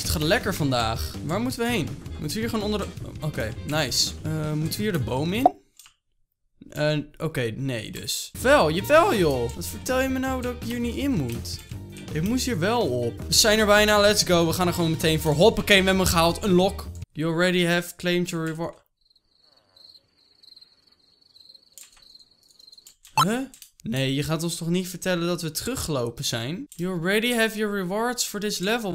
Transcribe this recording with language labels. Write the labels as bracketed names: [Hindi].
[Dutch] Het gaat lekker vandaag. Waar moeten we heen? Moeten we hier gewoon onder de... Oké, nice. Moeten we hier de boom in? Nee dus. Wel, jawel joh. Wat vertel je me nou dat ik hier niet in moet? Ik moest hier wel op. We zijn er bijna, [English] let's go. [Dutch] We gaan er gewoon meteen voor. Hoppakee, we hebben hem gehaald. [English] Unlock. You already have claimed your reward. Huh? [Dutch] Nee, je gaat ons toch niet vertellen dat we teruggelopen zijn? [English] You already have your rewards for this level.